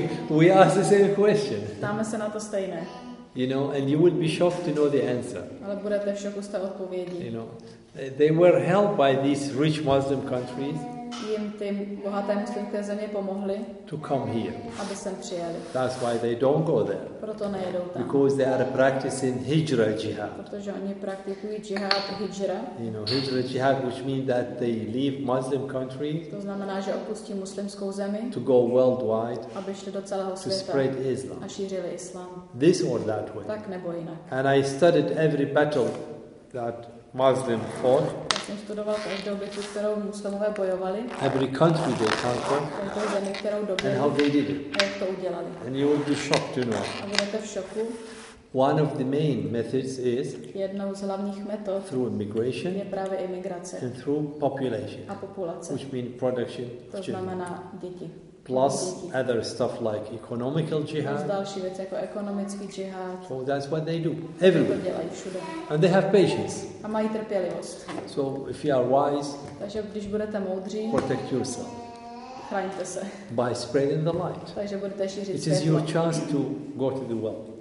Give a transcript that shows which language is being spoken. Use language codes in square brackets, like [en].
[en] We ask the same question. [cs] Ptáme se na to stejné. [en] You know, and you would be shocked to know the answer. [cs] Ale budete v šoku z té odpovědi. [en] You know, they were helped by these rich Muslim countries. [cs] Jim ty bohaté muslimské země pomohly. [en] To come here. [cs] Aby sem přijeli. [en] That's why they don't go there. [cs] Proto nejedou tam. [en] Because they are practicing hijra jihad. [cs] Protože oni praktikují jihad, hijra. [en] You know, hijra jihad, which means that they leave Muslim country. [cs] To znamená, že opustí muslimskou zemi. [en] To go worldwide. [cs] Aby šli do celého světa. [en] To spread Islam. [cs] A šířili Islam. [en] This or that way. [cs] Tak nebo jinak. [en] And I studied every battle that Muslim fought. [cs] Jsem studoval každou bitvu, kterou muslimové bojovali. [en] Every country they conquered. [cs] Každou zemi, kterou dobili. [en] And how they did it. [cs] A jak to udělali. [en] And you will be shocked to know. [cs] A budete v šoku. [en] One of the main methods is. [cs] Jednou z hlavních metod. [en] Through immigration. [cs] Je právě imigrace. [en] And through population. [cs] A populace. [en] Which means production. [cs] To znamená děti. [en] Plus other stuff like economical jihad. [cs] Další věc jako ekonomický jihad. [en] So that's what they do everywhere. And they have patience. [cs] A mají trpělivost. [en] So if you are wise, [cs] takže když budete moudří, [en] protect yourself. [cs] Chraňte se. [en] By spreading the light. [cs] Takže budete šířit světlo. [en] It is your chance to go to the world.